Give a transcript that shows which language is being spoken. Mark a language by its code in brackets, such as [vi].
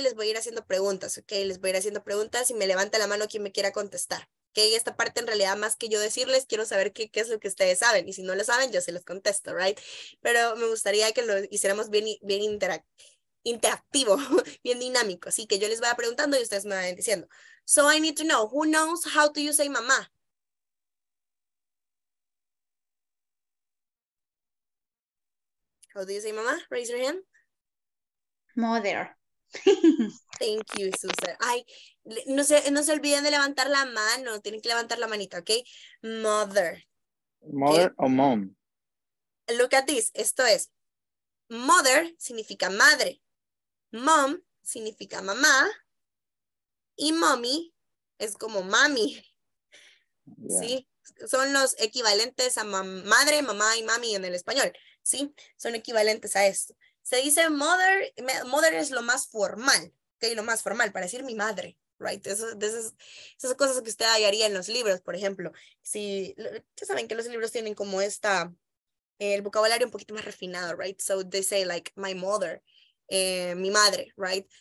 [es] Les voy a ir haciendo preguntas, ¿ok? Les voy a ir haciendo preguntas y me levanta la mano quien me quiera contestar, ¿ok? Esta parte en realidad, más que yo decirles, quiero saber qué es lo que ustedes saben. Y si no lo saben, yo se los contesto, ¿right? Pero me gustaría que lo hiciéramos bien interactivo, bien dinámico. Así que yo les voy a preguntando y ustedes me van diciendo. [en] So I need to know, who knows how do you say mamá? How do you say mamá? Raise your hand. Mother. Thank you, Susan. [es] Ay, no se olviden de levantar la mano. Tienen que levantar la manita, ¿ok? Mother. [en] Mother, okay. O mom. Look at this. [es] Esto es. Mother significa madre. Mom significa mamá. Y mommy es como mami. Yeah. ¿Sí? Son los equivalentes a madre, mamá y mami en el español. ¿Sí? Son equivalentes a esto. Se dice mother, mother es lo más formal, okay, lo más formal para decir mi madre, right? Esas cosas que usted hallaría en los libros, por ejemplo. Si, ya saben que los libros tienen como esta, el vocabulario un poquito más refinado, right? [en] So they say like my mother, [es] mi madre, [en] right?